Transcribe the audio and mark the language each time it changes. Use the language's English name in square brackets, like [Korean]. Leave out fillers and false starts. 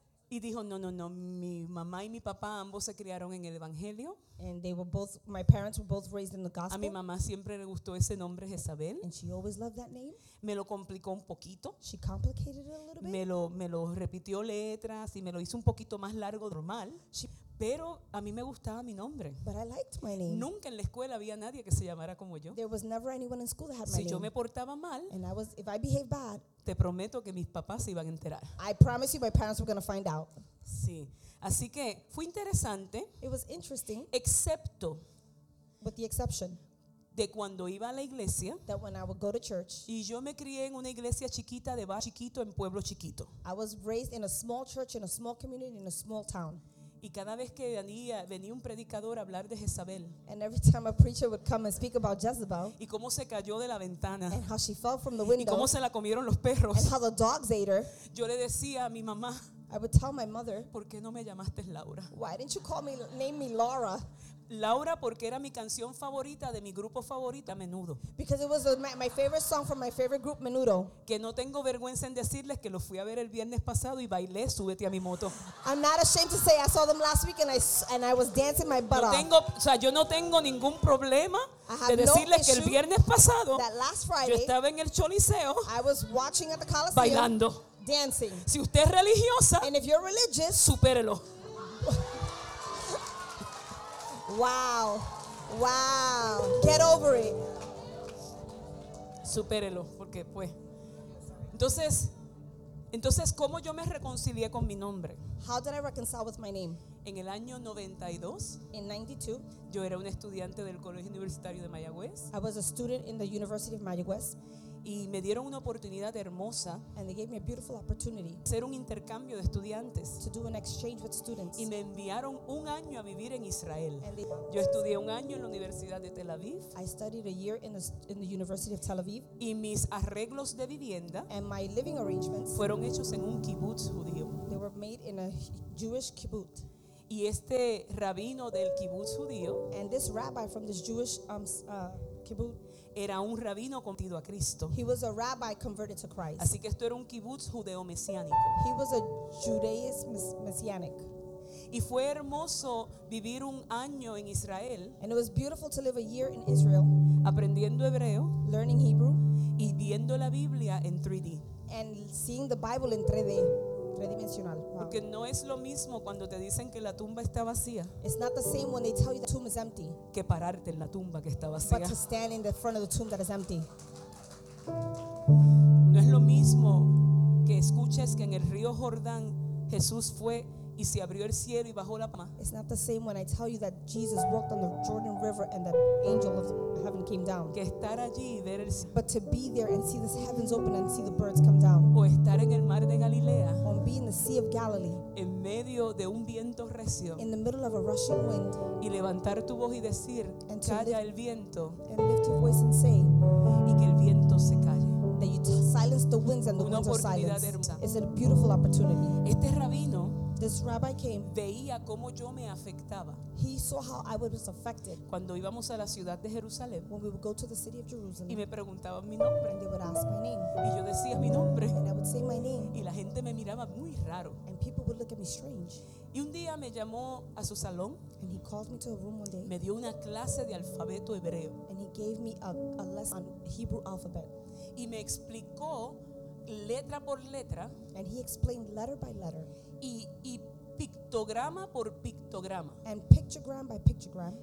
[Spanish] Y dijo, no, mi mamá y mi papá ambos se criaron en el Evangelio. [English] And they were both, my parents were both raised in the gospel. [Spanish] A mi mamá siempre le gustó ese nombre, Jezabel. [English] And she always loved that name. [Spanish] Me lo complicó un poquito. [English] She complicated it a little bit. [Spanish] Me lo repitió letras y me lo hizo un poquito más largo normal. Pero a mí me gustaba mi nombre. [English] But I liked my name. [Spanish] Nunca en la escuela había nadie que se llamara como yo. [English] There was never anyone in school that had my name. [Spanish] Si yo me portaba mal, [English] and I was, if I behaved bad, [Spanish] te prometo que mis papás se iban a enterar. [English] I promise you my parents were going to find out. [Spanish] Sí. Así que fue interesante. [English] It was interesting. [Spanish] Excepto. [English] With the exception. [Spanish] De cuando iba a la iglesia. [English] That when I would go to church. [Spanish] Y yo me crié en una iglesia chiquita de barrio chiquito en pueblo chiquito. [English] I was raised in a small church, in a small community, in a small town. [Spanish] Y cada vez que venía un predicador a hablar de Jezabel. [English] And every time a preacher would come and speak about Jezebel. [Spanish] Y cómo se cayó de la ventana. [English] And how she fell from the window. [Spanish] Y cómo se la comieron los perros. [English] And how the dogs ate her. [Spanish] Yo le decía a mi mamá, [English] I would tell my mother, [Spanish] ¿por qué no me llamaste Laura? [English] Why didn't you call me, name me Laura? [Spanish] Laura porque era mi canción favorita de mi grupo favorito Menudo. [English] Because it was my favorite song from my favorite group Menudo. [Spanish] Que no tengo vergüenza en decirles que lo fui a ver el viernes pasado y bailé Súbete a mi moto. [English] I'm not ashamed to say I saw them last week and I was dancing my butt off. [Spanish] Yo no tengo ningún problema de decirles que el viernes pasado [English] Friday, [Spanish] yo estaba en el Choliseo, [English] I was watching at the Coliseum, [Spanish] bailando. [English] Dancing. [Spanish] Si usted es religiosa, [English] and if you're religious, [Spanish] supérelo. [English] Wow. Wow. it. [Spanish] Supérelo, porque pues. Entonces, ¿cómo yo me reconcilié con mi nombre? [English] How did I reconcile with my name? [Spanish] En el año 92, [English] in 92, [Spanish] yo era un estudiante del Colegio Universitario de Mayagüez. [English] I was a student in the University of Mayagüez. [Spanish] Y me dieron una oportunidad hermosa. [English] And they gave me a beautiful opportunity. [Spanish] Hacer un intercambio de estudiantes. [English] To do an exchange with students. [Spanish] Y me enviaron un año a vivir en Israel. Yo estudié un año en la Universidad de Tel Aviv. [English] I studied a year in the University of Tel Aviv. [Spanish] Y mis arreglos de vivienda. [English] And my living arrangements. [Spanish] Fueron hechos en un kibbutz judío. [English] They were made in a Jewish kibbutz. [Spanish] Y este rabino del kibbutz judío. [English] And this rabbi from this Jewish kibbutz. [Spanish] Era un rabino convertido a Cristo. [English] He was a rabbi converted to Christ. [Spanish] Así que esto era un kibbutz judeo-mesiánico. [English] He was a Judaism messianic. [Spanish] Y fue hermoso vivir un año en Israel. [English] And it was beautiful to live a year in Israel. [Spanish] Aprendiendo hebreo. [English] Learning Hebrew. [Spanish] Y viendo la Biblia en 3D. [English] And seeing the Bible in 3D. Tridimensional. Wow. [Spanish] Porque no es lo mismo cuando te dicen que la tumba está vacía. [English] It's not the same when they tell you the tomb is empty. [Spanish] Que pararte en la tumba que está vacía. [English] But to stand in the front of the tomb that is empty. [Spanish] No es lo mismo que escuches que en el río Jordán Jesús fue y se abrió el cielo y bajó la paloma. [English] It's not the same when I tell you that Jesus walked on the Jordan River and that angel of heaven came down. [Spanish] Que estar allí y ver el cielo. [English] But to be there and see the heavens open and see the birds come down. [Spanish] O estar en el mar de Galilea. [English] On being the Sea of Galilee. [Spanish] En medio de un viento recio. [English] In the middle of a rushing wind. [Spanish] Y levantar tu voz y decir, calla el viento. [English] And lift your voice and say. [Spanish] Y que el viento se calle. [English] That you silence the winds and the [Spanish] una [English] winds are silenced. [Spanish] Hermosa. [English] It's a beautiful opportunity. [Spanish] Este rabino. [English] This rabbi came. [Spanish] Veía cómo yo me afectaba. [English] He saw how I was affected. [Spanish] Cuando íbamos a la ciudad de Jerusalén. [English] When we would go to the city of Jerusalem. [Spanish] Y me preguntaban mi nombre. [English] And they would ask my name. [Spanish] Y yo decía mi nombre. [English] And I would say my name. [Spanish] Y la gente me miraba muy raro. [English] And people would look at me strange. [Spanish] Y un día me llamó a su salón. [English] And he called me to a room one day. [Spanish] Me dio una clase de alfabeto hebreo. [English] And he gave me a lesson on Hebrew alphabet. [Spanish] Y me explicó letra por letra. [English] And he explained letter by letter. [Spanish] Y pictograma por pictograma. [English] And pictogram by pictogram.